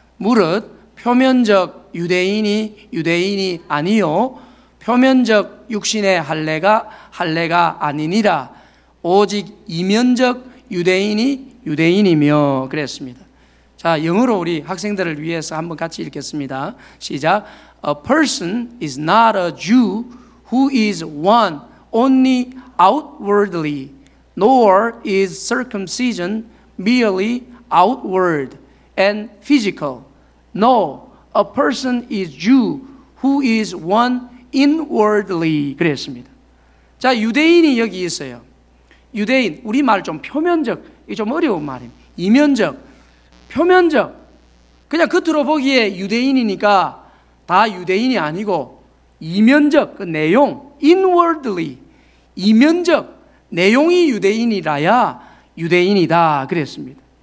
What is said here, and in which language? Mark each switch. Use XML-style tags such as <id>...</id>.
<ko>무릇 표면적 유대인이 유대인이 아니요 표면적 육신의 할례가 할례가 아니니라. 오직 이면적 유대인이 유대인이며. 그랬습니다. 자, 영어로 우리 학생들을 위해서 한번 같이 읽겠습니다. 시작.</ko> <en>A person is not a Jew who is one only outwardly, nor is circumcision merely outward and physical. No, a person is Jew who is one inwardly.</en> <ko>그랬습니다. 자, 유대인이 여기 있어요. 유대인, 우리말 좀 표면적, 이게 좀 어려운 말입니다. 이면적, 표면적. 그냥 겉으로 보기에 유대인이니까 다 유대인이 아니고 이면적, 그 내용, inwardly, 이면적, 내용이 유대인이라야 유대인이다. 그랬습니다.</ko>